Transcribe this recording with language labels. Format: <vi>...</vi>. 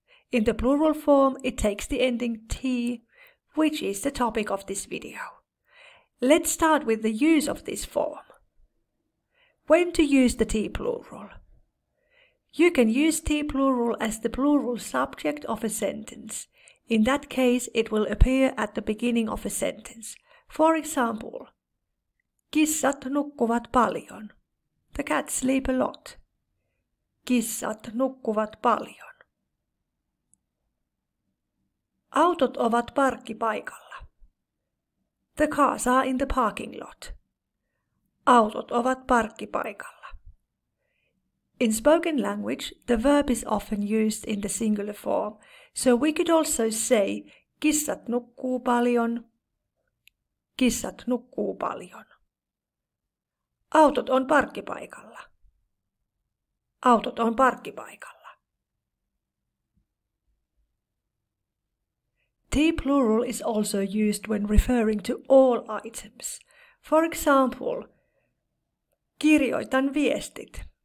<en>In the plural form it takes the ending T, which is the topic of this video. Let's start with the use of this form. When to use the T-plural? You can use T-plural as the plural subject of a sentence. In that case, it will appear at the beginning of a sentence. For example,</en> <fi>kissat nukkuvat paljon.</fi> <en>The cats sleep a lot.</en> <fi>Kissat nukkuvat paljon. Autot ovat parkkipaikalla.</fi> <en>The cars are in the parking lot.</en> <fi>Autot ovat parkkipaikalla.</fi> <en>In spoken language, the verb is often used in the singular form, so we could also say</en> <fi>kissat nukkuu paljon, kissat nukkuu paljon. Autot on parkkipaikalla. Autot on parkkipaikalla.</fi> <en>T-plural is also used when referring to all items. For example,</en> <fi>kirjoitan viestit.</fi>